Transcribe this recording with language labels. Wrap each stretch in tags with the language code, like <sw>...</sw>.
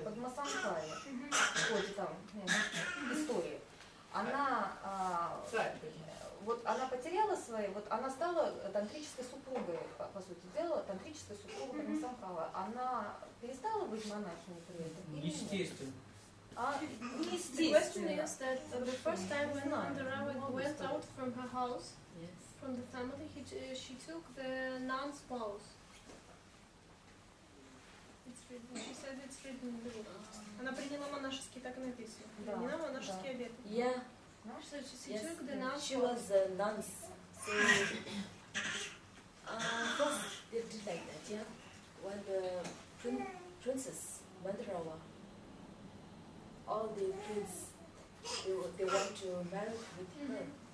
<ru>Падмасамбхавы. Какой-то там, истории. Она, вот она потеряла свои, вот она стала тантрической супругой, по сути дела, тантрической супругой Падмасамбхавы. Она перестала быть монахиней при этом? Естественно.</ru> <en>The question is that the first time when Mandarawa went out from her house, from the family, she took the nun's clothes. She said it's written in the book.</en> <ru>Она приняла монашеские, так и написано. Приняла монашеские обеты.</ru> <en>Yeah. So she took the nun's clothes. She was the nun's. So, they did like that, yeah? When the princess Mandarawa, all the kids, they want to marry with her.</en>